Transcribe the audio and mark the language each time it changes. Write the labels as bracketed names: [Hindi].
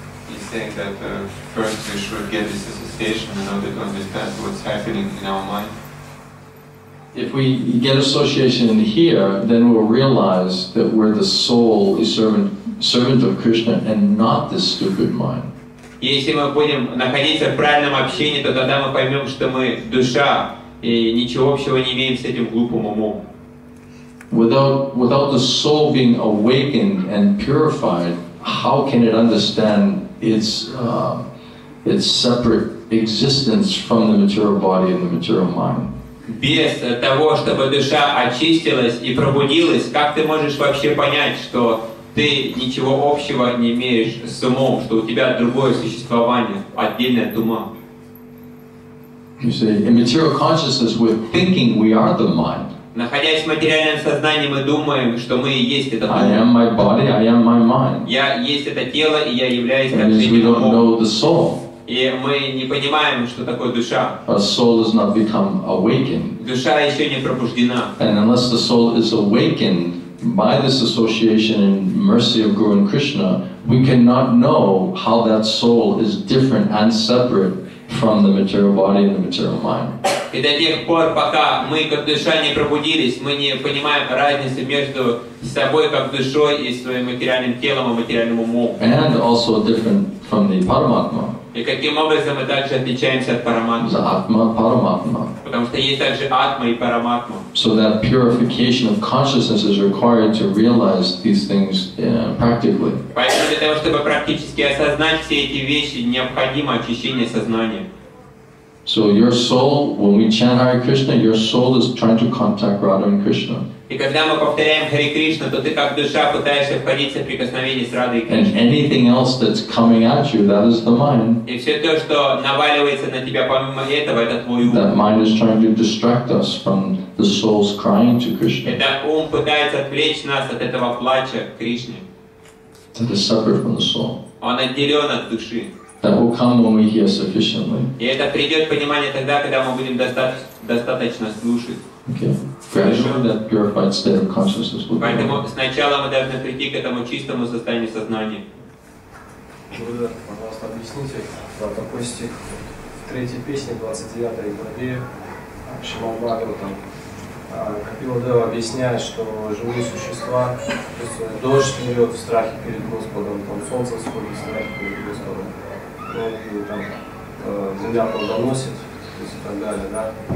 [English] He's saying that first we should get this association in order to understand what's happening in our mind. If we get association in here, then we'll realize that we're the soul, the servant of Krishna, and not this stupid mind. [Russian] Если мы будем находиться в правильном общении, то тогда мы поймем, что мы душа. И ничего общего не имеем с этим глупым умом. [English] Without the soul being awakened and purified, how can it understand its separate existence from the material body and the material mind? [Russian] Без того, чтобы душа очистилась и пробудилась, как ты можешь вообще понять, что ты ничего общего не имеешь с умом, что у тебя другое существование, отдельная дума? [English] You see, in material consciousness, we're thinking we are the mind. [Russian] Находясь в материальном сознании, мы думаем, что мы и есть это. [English] I am my body. I am my mind. [Russian] Я есть это тело, и я являюсь. [English] That means we don't know the soul. [Russian] И мы не понимаем, что такое душа. [English] A soul has not become awakened. [Russian] Душа еще не пробуждена. [English] And unless the soul is awakened by this association and mercy of Guru and Krishna, we cannot know how that soul is different and separate from the material body and the material mind. [Russian] И до тех пор, пока мы как душа не пробудились, мы не понимаем разницы между собой как душой и своим материальным телом и материальным умом. [English] And also different from the Paramatma. [Russian] И каким образом мы также отличаемся от Параматмы? [English] The Atma, Paramatma. [Russian] Потому что есть также Атма и Параматма. [English] So that purification of consciousness is required to realize these things practically. [Russian] Поэтому для того, чтобы практически осознать все эти вещи, необходимо очищение сознания. [English] So your soul, when we chant Hare Krishna, your soul is trying to contact Radha and Krishna. [Russian] И когда мы повторяем Хари Кришна, то ты как душа пытаешься входить в соприкосновение с Радой Кришной. [English] And anything else that's coming at you, that is the mind. [Russian] И все то, что наваливается на тебя помимо этого, это твой ум. [English] That mind is trying to distract us from the soul's crying to Krishna. [Russian] Этот ум пытается отвлечь нас от этого плача к Кришне. [English] That is separate from the soul. [Russian] Он отделен от души. [English] That will come when we hear sufficiently. [Russian] И это придет понимание тогда, когда мы будем достаточно слушать. [English] Gradually, that purified state of consciousness will come. [Russian] Поэтому сначала мы должны прийти к этому чистому состоянию сознания. Буду, пожалуйста, объясните про такой стих в третьей песне, 29-й главе Шримад-Бхагаватам. Капила-дева объясняет, что живые существа, то есть дождь льет в страхе перед Господом, там солнце сходит в страхе перед Господом, и там земля плодоносит, то есть и так далее, да.